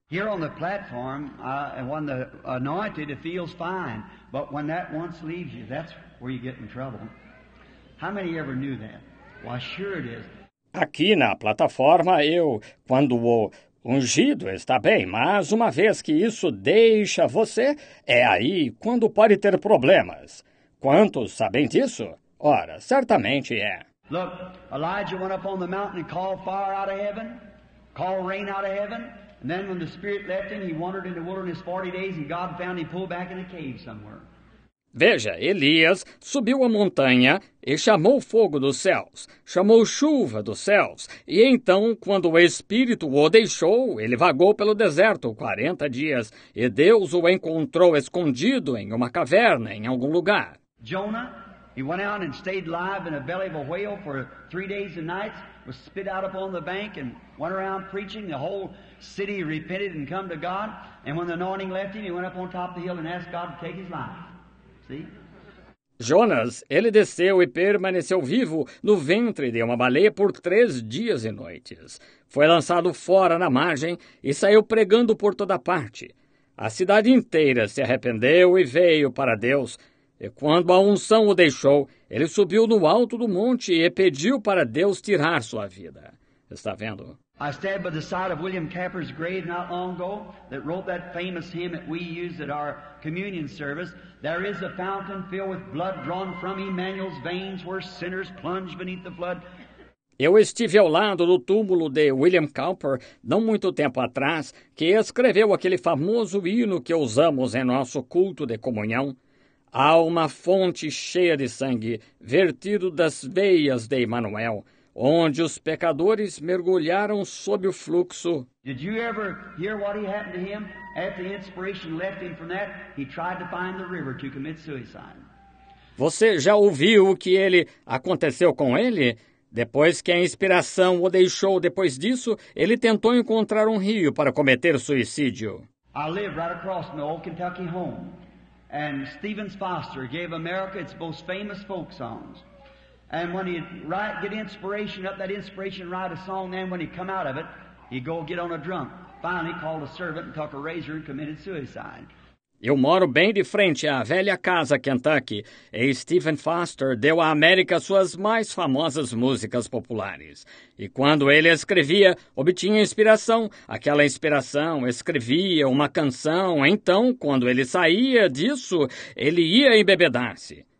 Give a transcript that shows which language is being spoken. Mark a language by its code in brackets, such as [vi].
[en] Here on the platform, when the anointed, it feels fine. But when that once leaves you, that's where you get in trouble. How many ever knew that? Well, sure it is. [pt] Aqui na plataforma, eu, quando o... Ungido está bem, mas uma vez que isso deixa você, é aí quando pode ter problemas. Quantos sabem disso? Ora, certamente é. [en] Look, Elijah went up on the mountain and called fire out of heaven, called rain out of heaven, and then when the Spirit left him, he wandered in the wilderness 40 days and God found him pulled back in a cave somewhere. [pt] Veja, Elias subiu a montanha e chamou fogo dos céus, chamou chuva dos céus, e então, quando o Espírito o deixou, ele vagou pelo deserto 40 dias, e Deus o encontrou escondido em uma caverna, em algum lugar. [en] Jonah, he went out and stayed alive in the belly of a whale for 3 days and nights, was spit out upon the bank and went around preaching, the whole city repented and come to God, and when the anointing left him, he went up on top of the hill and asked God to take his life. [pt] Jonas, ele desceu e permaneceu vivo no ventre de uma baleia por 3 dias e noites. Foi lançado fora na margem e saiu pregando por toda parte. A cidade inteira se arrependeu e veio para Deus. E quando a unção o deixou, ele subiu no alto do monte e pediu para Deus tirar sua vida. Está vendo? [en] I stand by the side of William Capper's grave not long ago that wrote that famous hymn that we use at our communion service. There is a fountain filled with blood drawn from Emmanuel's veins where sinners plunge beneath the flood. [pt] Eu estive ao lado do túmulo de William Cowper não muito tempo atrás, que escreveu aquele famoso hino que usamos em nosso culto de comunhão. Há uma fonte cheia de sangue, vertido das veias de Emmanuel, onde os pecadores mergulharam sob o fluxo. [en] Did you ever hear what happened to him? After inspiration left him from that, he tried to find the river to commit suicide. [pt] Você já ouviu o que ele aconteceu com ele? Depois que a inspiração o deixou, depois disso, ele tentou encontrar um rio para cometer suicídio. [en] I live right across my old Kentucky home, and Stephen Foster gave America its most famous folk songs. And when he'd write, get inspiration up that inspiration, write a song, then when he'd come out of it, he'd go get on a drunk. Finally, called a servant and took a razor and committed suicide. [pt] Eu moro bem de frente à velha casa Kentucky, e Stephen Foster deu à América suas mais famosas músicas populares. E quando ele escrevia, obtinha inspiração. Aquela inspiração, escrevia uma canção. Então, quando ele saía disso, ele ia embebedar-se.